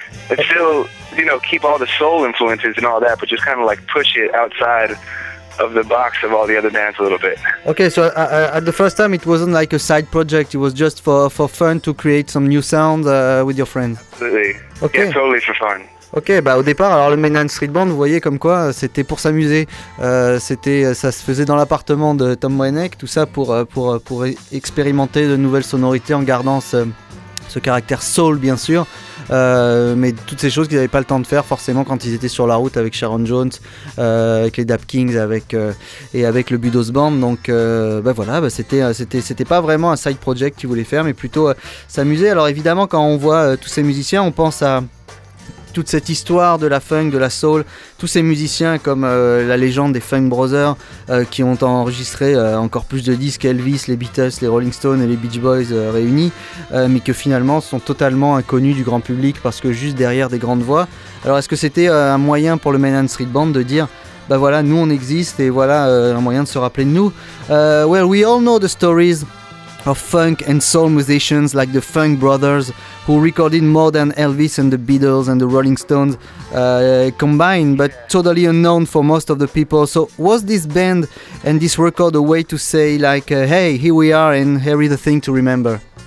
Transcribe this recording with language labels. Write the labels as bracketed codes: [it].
[en] But still, you know, keep all the soul influences and all that, but just kind of like push it outside of the box of all the other bands a little bit. Okay, so at the first time it wasn't like a side project, it was just for fun to create some new sound with your friend. Absolutely. Okay. Yeah, totally for fun. [fr] Ok, bah au départ, alors le Mainland Street Band, vous voyez comme quoi, c'était pour s'amuser. Ça se faisait dans l'appartement de Tom Wenneck, tout ça pour expérimenter de nouvelles sonorités en gardant ce caractère soul, bien sûr. Mais toutes ces choses qu'ils n'avaient pas le temps de faire, forcément, quand ils étaient sur la route avec Sharon Jones, avec les Dap Kings avec le Budos Band. Donc c'était pas vraiment un side project qu'ils voulaient faire, mais plutôt s'amuser. Alors évidemment, quand on voit tous ces musiciens, on pense à toute cette histoire de la funk, de la soul, tous ces musiciens comme la légende des Funk Brothers qui ont enregistré encore plus de disques, Elvis, les Beatles, les Rolling Stones et les Beach Boys réunis, mais que finalement sont totalement inconnus du grand public parce que juste derrière des grandes voix. Alors est-ce que c'était un moyen pour le Mainland Street Band de dire bah voilà, nous on existe et voilà un moyen de se rappeler de nous? [en] Well, we all know the stories of funk and soul musicians like the Funk Brothers, who recorded more than Elvis and the Beatles and the Rolling Stones combined, but totally unknown for most of the people. So was this band and this record a way to say like, hey, here we are and here is a thing to remember?